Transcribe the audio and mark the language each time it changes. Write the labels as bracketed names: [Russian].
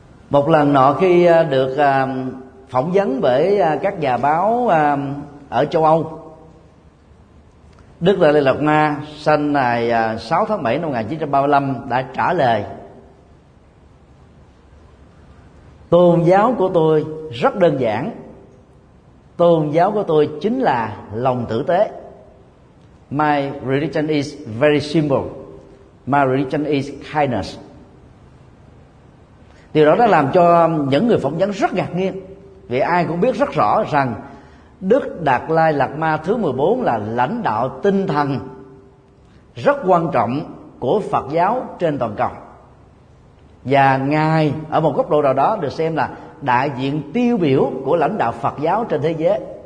[Vietnamese] Một lần nọ khi được phỏng vấn bởi các nhà báo ở châu Âu, Đức Đại Lê Lộc Ma sinh ngày 6 tháng 7 năm 1935 đã trả lời: tôn giáo của tôi rất đơn giản, tôn giáo của tôi chính là lòng tử tế. [English] My religion is very simple. My religion is kindness. [Vietnamese] Điều đó đã làm cho những người phỏng vấn rất ngạc nhiên, vì ai cũng biết rất rõ rằng Đức Đạt Lai Lạt Ma thứ 14 là lãnh đạo tinh thần rất quan trọng của Phật giáo trên toàn cầu, và Ngài ở một góc độ nào đó được xem là đại diện tiêu biểu của lãnh đạo Phật giáo trên thế giới.